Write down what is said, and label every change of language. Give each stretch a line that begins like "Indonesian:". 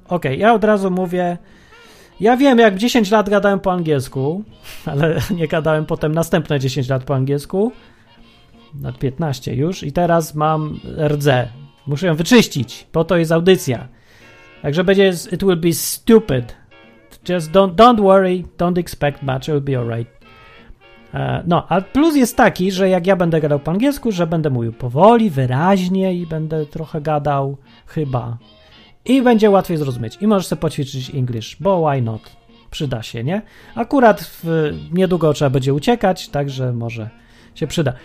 Polish: Okej, okay, ja od razu mówię... Ja wiem, jak 10 lat gadałem po angielsku, ale nie gadałem potem następne 10 lat po angielsku. Nawet 15 już i teraz mam rdzę. Muszę ją wyczyścić, bo to jest audycja. Także będzie,
English: it will be stupid. Just don't worry, don't expect much, it'll be alright.
Polish: No, a plus jest taki, że jak ja będę gadał po angielsku, że będę mówił powoli, wyraźnie i będę trochę gadał, chyba... I będzie łatwiej zrozumieć. I możesz sobie poćwiczyć English, bo
English: why not?
Polish: Przyda się, nie? Akurat niedługo trzeba będzie uciekać, także może się przyda.